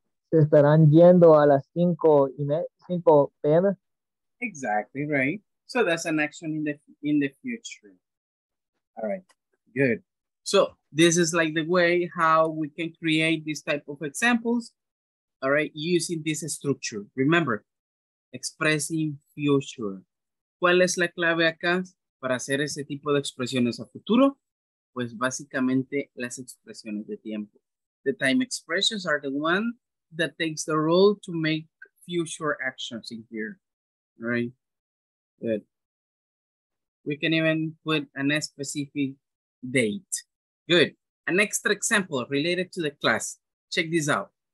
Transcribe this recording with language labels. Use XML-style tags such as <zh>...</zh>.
<es>Estarán yendo a las 5 p.m.</es> <en>Exactly, right. So that's an action in the future. All right, good. So this is like the way how we can create this type of examples, all right, using this structure. Remember, expressing future.</en> <es>¿Cuál es la clave acá para hacer ese tipo de expresiones a futuro? Pues básicamente las expresiones de tiempo.</es> <en>The time expressions are the one that takes the role to make future actions in here, right? Good. We can even put a specific date. Good. An extra example related to the class. Check this out.</en>